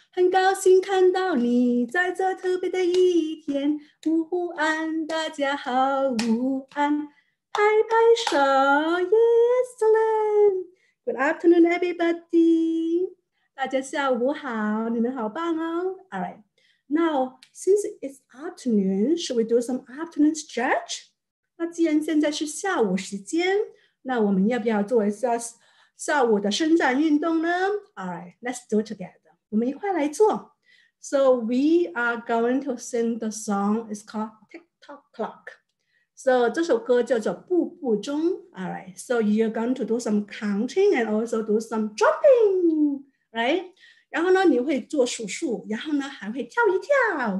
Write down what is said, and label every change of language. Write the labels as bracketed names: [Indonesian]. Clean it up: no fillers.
[Chinese] 很高兴看到你在这特别的一天。午安，大家好，午安，拍拍手。 [English] Yes, Lynne. Good afternoon, everybody. [Chinese] 大家下午好，你们好棒哦。 [English] All right. Now, since it's afternoon, should we do some afternoon stretch? [Chinese] 那既然现在是下午时间，那我们要不要做一下下午的伸展运动呢？ [English] All right, let's do it together. [Chinese] 我们一块来做。 [English] So we are going to sing the song. It's called Tick-Tock Clock. [Chinese] So 这首歌叫做步步钟。 [English] All right, so you're going to do some counting and also do some jumping, right? [Chinese] 然后呢，你会做数数，然后呢，还会跳一跳。